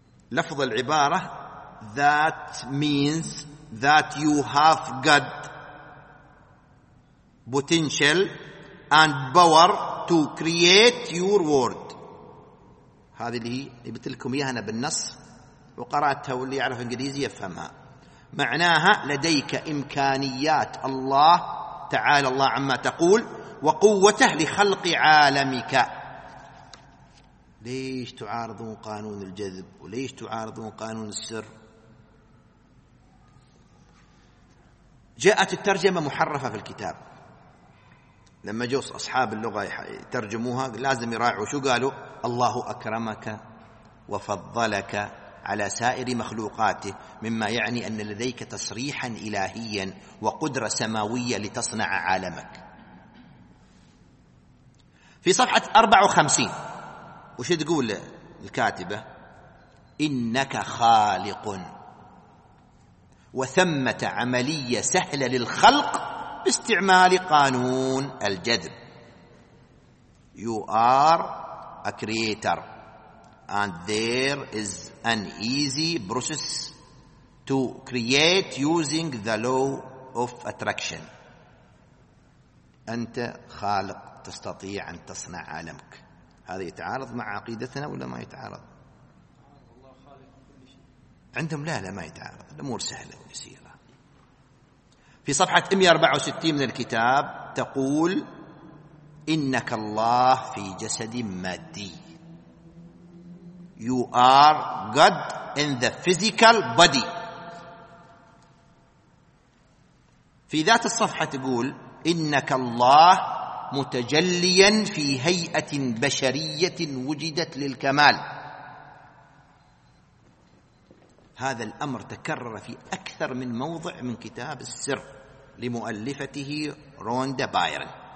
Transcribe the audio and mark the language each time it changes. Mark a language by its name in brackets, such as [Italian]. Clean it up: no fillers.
[English] لفظ العبارة that means that you have got potential and power to create your world. [Arabic] هذه اللي جبت لكم اياها انا بالنص وقراتها، واللي يعرف انجليزي يفهمها. معناها لديك امكانيات الله تعالى الله عما تقول وقوته لخلق عالمك. ليش تعارضون قانون الجذب؟ وليش تعارضون قانون السر؟ جاءت الترجمة محرفة في الكتاب. لما جاءوا أصحاب اللغة يترجموها لازم يراعوا شو قالوا: الله أكرمك وفضلك على سائر مخلوقاته، مما يعني أن لديك تصريحا إلهيا وقدرة سماوية لتصنع عالمك. في صفحة 54 وش تقول الكاتبة؟ إنك خالق، وثمة عملية سهلة للخلق باستعمال قانون الجذب. [English] You are a creator and there is an easy process to create using the law of attraction. [Arabic] أنت خالق، تستطيع أن تصنع عالمك. هذا يتعارض مع عقيدتنا ولا ما يتعارض؟ عندهم لا ما يتعارض، الأمور سهلة ويسيرة. في صفحة 164 من الكتاب تقول: إنك الله في جسد مادي. [English] You are God in the physical body. [Arabic] في ذات الصفحة تقول: إنك الله متجليا في هيئة بشرية وجدت للكمال. هذا الأمر تكرر في أكثر من موضع من كتاب السر لمؤلفته روندا بايرن.